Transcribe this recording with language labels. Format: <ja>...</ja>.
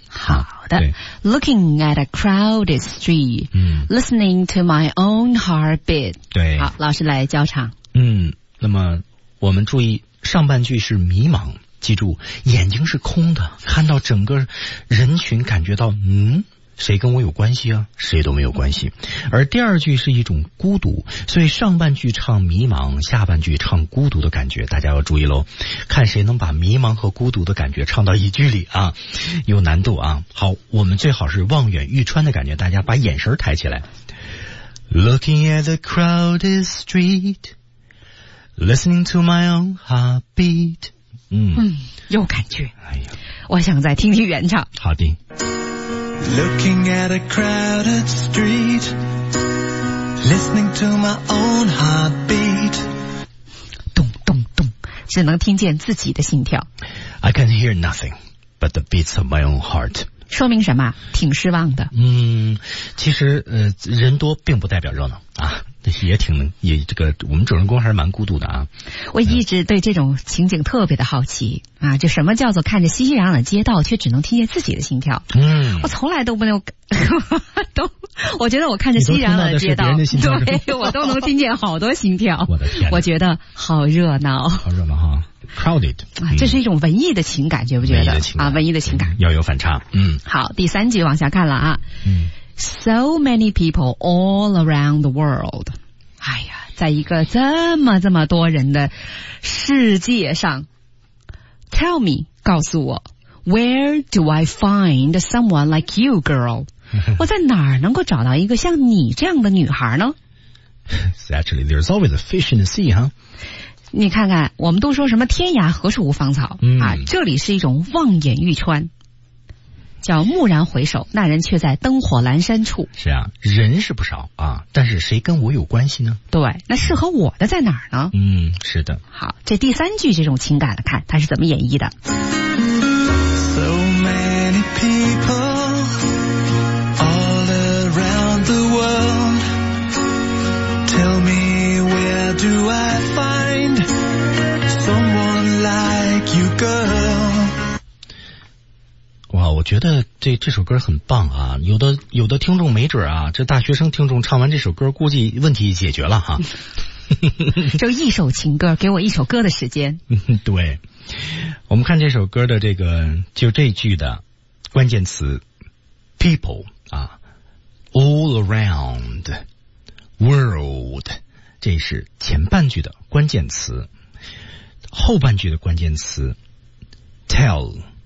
<en>好的、啊、Looking at a crowded street、嗯、 Listening to my own heartbeat</en> <zh>对好老师来教唱嗯，那么我们注意上半句是迷茫记住眼睛是空的看到整个人群感觉到嗯，谁跟我有关系啊？谁都没有关系。而第二句是一种孤独，所以上半句唱迷茫，下半句唱孤独的感觉，大家要注意喽，看谁能把迷茫和孤独的感觉唱到一句里啊，有难度啊。好，我们最好是望眼欲穿的感觉，大家把眼神抬起来。</zh> <en>Looking at the crowded street, listening to my own heartbeat。</en> <zh>嗯，有感觉。哎呀，我想再听听原唱。好的。</zh> <en>Looking at a crowded street, listening to my own heartbeat.</en> <zh>咚咚咚，只能听见自己的心跳。</zh> <en>I can hear nothing but the beats of my own heart.</en> <zh>说明什么？挺失望的。其实人多并不代表热闹啊。也挺也这个我们主人公还是蛮孤独的啊。我一直对这种情景特别的好奇啊，就什么叫做看着熙熙攘攘的街道却只能听见自己的心跳。嗯，我从来都不能都我觉得我看着熙熙攘攘的街道，的心跳，对，我都能听见好多心跳。我的天，我觉得好热闹。好热闹哈。Crowded、这是一种文艺的情感，觉不觉得啊，文艺的情感、要有反差。嗯，好，第三集往下看了啊。</zh> <en>So many people all around the world.</en> <zh>哎呀，在一个这么这么多人的世界上，</zh> <en>Tell me,</en> <zh>告诉我，</zh> <en>Where do I find someone like you, girl?</en> <zh>我在哪儿能够找到一个像你这样的女孩呢？</zh> <en>Actually, there's always a fish in the sea, huh?</en> <zh>你看看，我们都说什么天涯何处无芳草、啊，这里是一种望眼欲穿。叫蓦然回首，那人却在灯火阑珊处。是啊，人是不少啊，但是谁跟我有关系呢？对，那适合我的在哪儿呢？嗯，是的。好，这第三句这种情感的看他是怎么演绎的。</zh> <en>So many people all around the world, tell me where do I find someone like you, girl?</en> <zh>哇，我觉得这首歌很棒啊！有的听众没准啊，这大学生听众唱完这首歌，估计问题解决了哈、啊。就一首情歌，给我一首歌的时间。对，我们看这首歌的这个，就这句的关键词 ，people 啊 ，all around world， 这是前半句的关键词，后半句的关键词 tell。</zh>